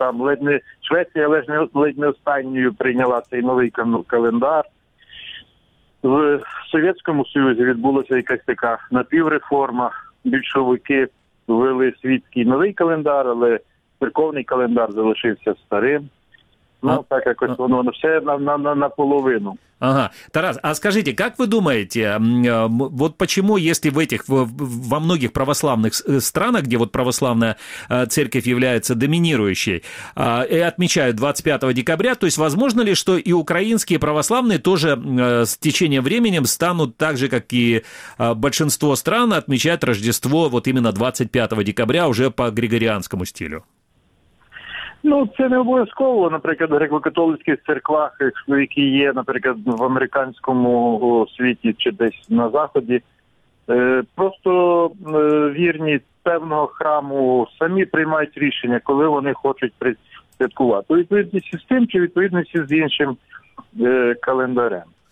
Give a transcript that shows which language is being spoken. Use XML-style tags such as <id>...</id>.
<uk>Там ледь не Швеція, ледь не останньою прийняла цей новий календар. В Совєтському Союзі відбулася якась така напівреформа. Більшовики ввели світський новий календар, але церковний календар залишився старим. Так якось воно все на половину. Ага.</uk> <ru>Тарас, а скажите, как вы думаете, вот почему, если в этих, во многих православных странах, где вот православная церковь является доминирующей, и отмечают 25 декабря, то есть возможно ли, что и украинские православные тоже с течением времени станут так же, как и большинство стран, отмечать Рождество вот именно 25 декабря уже по григорианскому стилю?</ru> <uk>Ну, це не обов'язково. Наприклад, в греко-католицьких церквах, які є, наприклад, в американському світі чи десь на Заході, просто вірні певного храму самі приймають рішення, коли вони хочуть святкувати. У відповідності з тим чи відповідності з іншим календарем.</uk>